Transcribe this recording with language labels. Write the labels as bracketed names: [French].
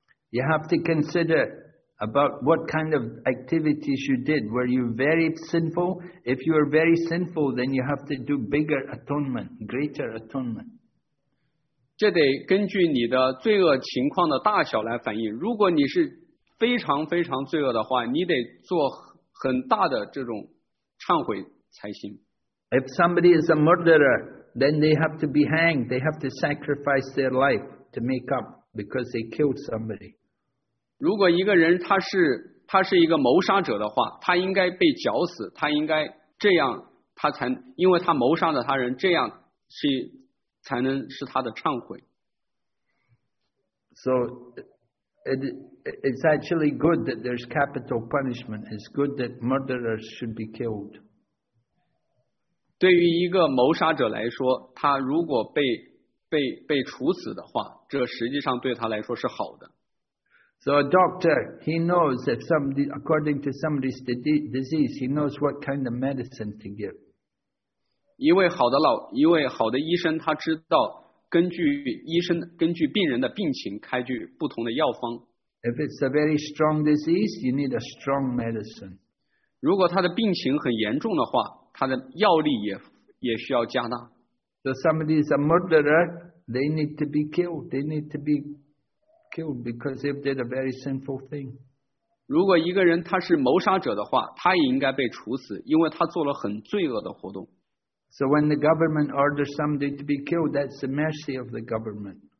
[English] You have to consider about what kind of activities you did. Were you very sinful? If you are very sinful, then you have to do bigger atonement, greater atonement. [Chinese] 这得根据你的罪恶情况的大小来反映。如果你是非常非常罪恶的话，你得做很大的这种忏悔才行。 [English] If somebody is a murderer, then they have to be hanged. They have to sacrifice their life to make up because they killed somebody. [Chinese] 如果一个人他是一个谋杀者的话，他应该被绞死，他应该这样，他才因为他谋杀了他人，这样是才能是他的忏悔。 [English] So it's actually good that there's capital punishment. It's good that murderers should be killed. [Chinese] 对于一个谋杀者来说，他如果被处死的话，这实际上对他来说是好的。 [English] So a doctor, he knows if somebody, according to somebody's disease, he knows what kind of medicine to give. [Chinese] 一位好的医生，他知道根据病人的病情开具不同的药方。 [English] If it's a very strong disease, you need a strong medicine. [Chinese] 如果他的病情很严重的话，他的药力 也需要加大。 [English] So somebody is a murderer, they need to be killed. They need to be killed because they've did a very sinful thing. [Chinese] 如果一个人他是谋杀者的话，他也应该被处死，因为他做了很罪恶的活动。 [English] So when the government orders somebody to be killed, that's the mercy of the government.